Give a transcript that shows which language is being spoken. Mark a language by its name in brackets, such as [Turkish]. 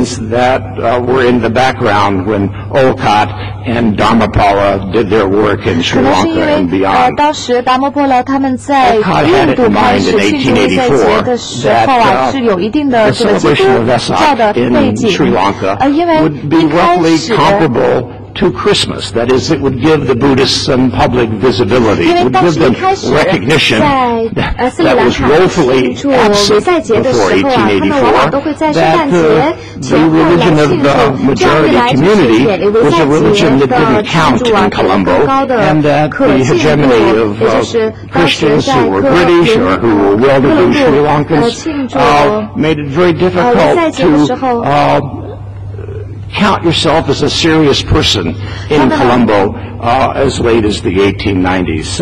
[English] that were in the background when Olcott and Dharmapala did their work in Sri Lanka and beyond. [Chinese] 当时达摩波罗他们在印度开始庆祝维塞节的时候啊，是有一定的这个基督教的背景。因为一开始。 [English] To Christmas, that is, it would give the Buddhists some public visibility, would give them recognition that was woefully absent before 1884, that the religion of the majority community was a religion that didn't count in Colombo, and that the hegemony of Christians who were British or who were well-to-do Sri Lankans made it very difficult to count yourself as a serious person in Colombo as late as the 1890s.